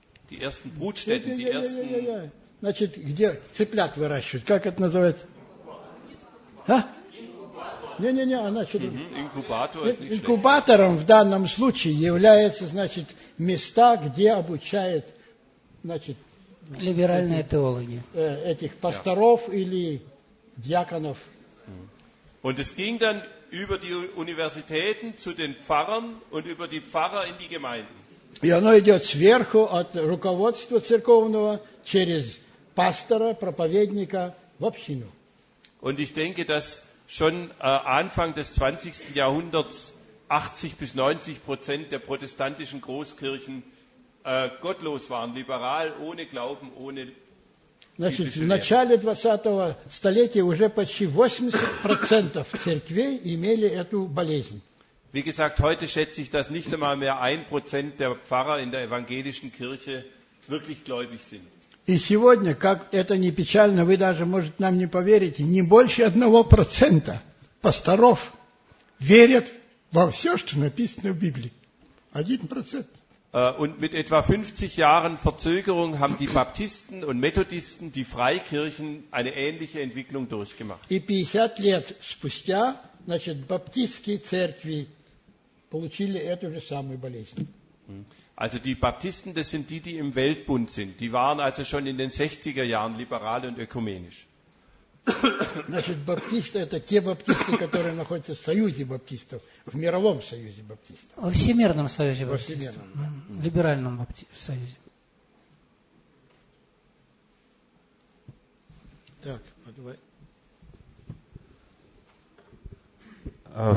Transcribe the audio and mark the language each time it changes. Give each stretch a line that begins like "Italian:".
German: die ersten Brutstätten, die ersten...
Russian: Значит, где цыплят выращивают? Как это называется? Не-не-не, а? Значит... Инкубатор. Инкубатором в данном случае является, значит, места, где обучают, значит... Либеральные теологи. Этих пасторов или диаконов.
German: Und es ging dann über die Universitäten zu den Pfarrern und über die Pfarrer in die Gemeinden.
Russian: И оно идет сверху от руководства церковного через пастора, проповедника в общину.
German: Und ich denke, dass schon Anfang des 20. Jahrhunderts 80-90% der protestantischen Großkirchen gottlos waren, liberal, ohne Glauben, ohne
Russian: Значит, в начале 20-го столетия уже почти 80% церквей имели эту болезнь.
German: Wie gesagt, heute schätze ich, dass nicht einmal mehr 1% der Pfarrer in der evangelischen Kirche wirklich gläubig sind.
Russian: И сегодня, как это ни печально, вы даже, может, нам не поверите, не больше 1% пасторов верят во все, что написано в Библии. 1%.
German: Und mit etwa 50 Jahren Verzögerung haben die Baptisten und Methodisten, die Freikirchen, eine ähnliche Entwicklung durchgemacht.
Russian: И 50 лет спустя, значит, баптистские церкви получили эту же самую болезнь.
German: Also die Baptisten, das sind die, die im Weltbund sind. Die waren also schon in den 60er Jahren liberal und ökumenisch.
Russian: Значит, баптисты – это те баптисты, которые находятся в союзе баптистов, в мировом союзе баптистов. Во всемирном союзе баптистов. Во всемирном. В либеральном союзе. Так, ну давай.